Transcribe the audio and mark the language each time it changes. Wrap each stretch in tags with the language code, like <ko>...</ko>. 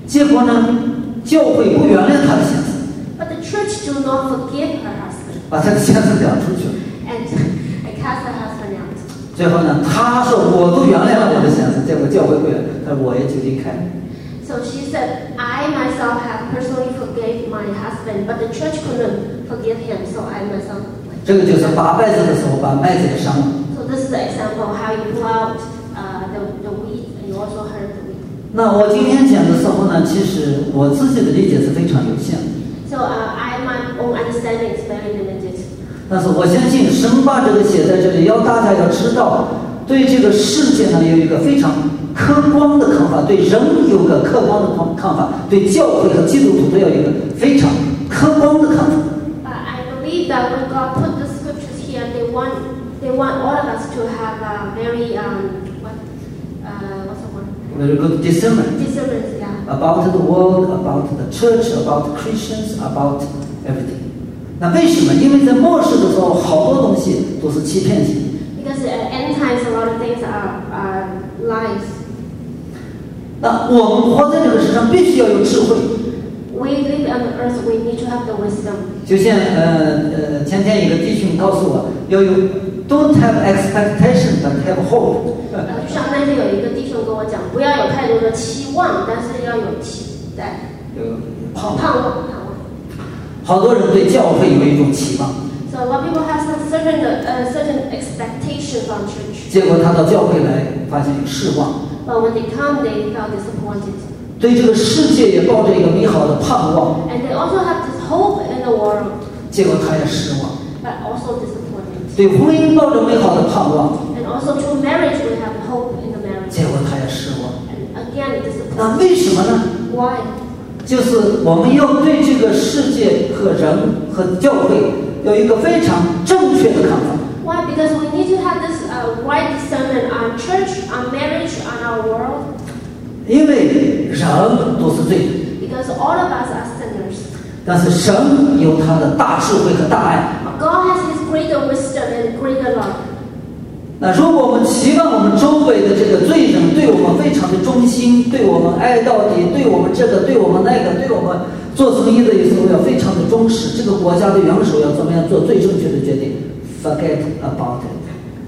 <zh>结果呢，教会不原谅他的先生。</zh> <en>But the church do not forgive her husband.</en> <zh>把他的先生赶出去了。</zh> <en>And cast her husband out.</en> <zh>最后呢，他说我都原谅了我的先生，结果教会不原谅，他说我也就离开。</zh> <en>So she said, I myself have personally forgave my husband, but the church couldn't forgive him, so I myself.</en> <zh>这个就是拔麦子的时候把麦子给伤了。</zh> <en>So this is the example how you pull out the wheat and you also hurt the wheat.</en> <zh>那我今天讲的时候呢，其实我自己的理解是非常有限的。</zh> <en>So my own understanding is very limited.</en> <zh>但是我相信神把这个写在这里，要大家要知道，对这个世界呢有一个非常客观的看法，对人有个客观的看法，对教会和基督徒都要有一个非常客观的看法。</zh> <en>But I believe that when God put the scriptures here, they want all of us to have a very very good discernment. Discernment, yeah. About the world, about the church, about Christians, about everything.</en> <zh>那为什么？因为在末世的时候，好多东西都是欺骗性。</zh> <en>Because at end times, a lot of things are lies.</en> <zh>那我们活在这个世上，必须要有智慧。</zh> <en>We live on earth, we need to have the wisdom.</en> <zh>就像前天一个弟兄告诉我，要有</zh> <en>don't have expectation, but have hope.</en> <zh>就像那天有一个弟兄跟我讲，不要有太多的期望，但是要有期待。有盼望。盼望。好多人对教会有一种期望。</zh> <en>So a lot of people have some certain expectations from church.</en> <zh>结果他到教会来，发现有失望。</zh> <en>But when they come, they felt disappointed.</en> <zh>对这个世界也抱着一个美好的盼望。</zh> <en>And they also have this hope in the world.</en> <zh>结果他也失望。</zh> <en>But also disappointed.</en> <zh>对婚姻抱着美好的盼望。</zh> <en>And also through marriage, we have hope in the marriage.</en> <zh>结果他也失望。</zh> <en>And again, disappointed.</en> <zh>那为什么呢</zh> <en>？Why?</en> <zh>就是我们要对这个世界和人和教会有一个非常正确的看法。</zh> <en>Why? Because we need to have this right discernment on church, on marriage, on our world.</en> <zh>因为人都是罪人。</zh> <en>Because all of us are sinners.</en> <zh>但是神有他的大智慧和大爱。</zh> <en>God has his greater wisdom and greater love.</en> <zh>那如果我们期望我们周围的这个罪人对我们非常的忠心，对我们爱到底，对我们这个，对我们那个，对我们做生意的时候要非常的忠实，这个国家的元首要怎么样做最正确的决定 ？</zh> <en>Forget about it.</en>